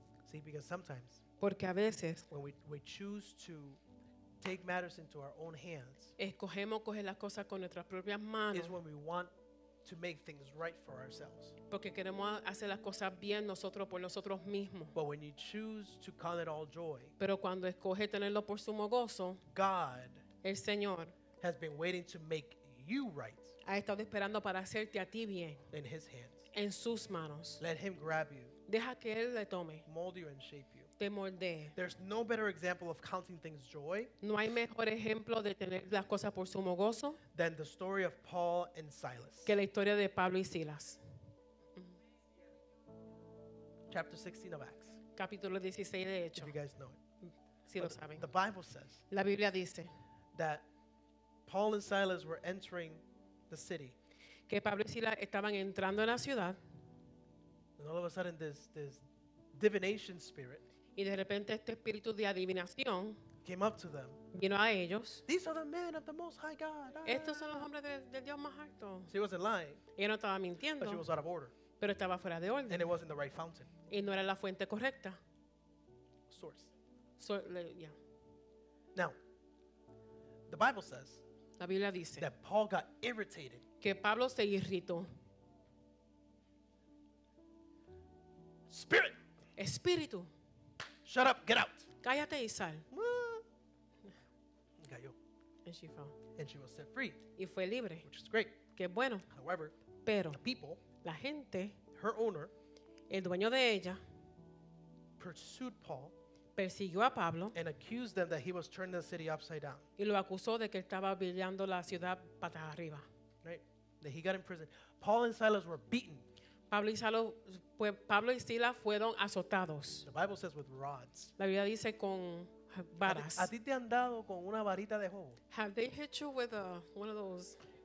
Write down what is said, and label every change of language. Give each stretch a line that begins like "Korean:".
English: See, because sometimes.
Spanish: Porque a veces.
English: When we choose to take matters into our own hands.
Spanish: Escogemos coger las cosas con nuestras propias manos.
English: Is when we want. To make things right for ourselves.
Spanish: Porque queremos hacer las cosas bien nosotros por nosotros mismos.
English: But when you choose to call it all joy.
Spanish: Pero cuando escoge tenerlo por sumo gozo.
English: God.
Spanish: El Señor.
English: Has been waiting to make you right.
Spanish: Ha estado esperando para hacerte a ti bien.
English: In his hands.
Spanish: En sus manos.
English: Let him grab you.
Spanish: Deja que él le tome.
English: Mold you and shape you.
Spanish: Te moldee.
English: There's no better example of counting things joy.
Spanish: No hay mejor ejemplo de tener las cosas por sumo gozo.
English: Than the story of Paul and Silas.
Spanish: Que la historia de Pablo y Silas.
English: Chapter 16 of Acts.
Spanish: Capítulo 16 de Hechos.
English: If you guys know it.
Spanish: Si lo saben.
English: The Bible says.
Spanish: La Biblia dice.
English: That Paul and Silas were entering the city.
Spanish: Que Pablo y Silas estaban entrando en la ciudad.
English: And all of a sudden this divination spirit.
Spanish: Y de repente este espíritu de adivinación
English: came up to them.
Spanish: Vino a ellos.
English: These are the men of the Most High God.
Spanish: Estos son los hombres del Dios más alto.
English: She wasn't lying.
Spanish: Ella no estaba mintiendo.
English: But she was out of order.
Spanish: Pero estaba fuera de orden.
English: And it wasn't the right fountain.
Spanish: Y no era la fuente correcta.
English: Source. So, yeah. Now, the Bible says.
Spanish: La Biblia dice.
English: That Paul got irritated.
Spanish: Que Pablo se irritó.
English: Spirit.
Spanish: Espíritu.
English: Shut up, get out.
Spanish: Cállate y sal. Cayó.
English: And she fell. And she was set free.
Spanish: Y fue libre.
English: Which is great.
Spanish: Qué bueno.
English: However,
Spanish: pero
English: the people,
Spanish: la gente,
English: her owner,
Spanish: el dueño de ella,
English: pursued Paul,
Spanish: persiguió a Pablo,
English: and accused them that he was turning the city upside down.
Spanish: Y lo acusó de que estaba brillando la ciudad patas arriba.
English: Right? That he got in prison. Paul and Silas were beaten.
Spanish: Pablo y Silas fueron azotados.
English: The Bible says with rods.
Spanish: La Biblia dice con varas. ¿A ti te han dado con una varita de hobo?
English: Have they hit you with one of those?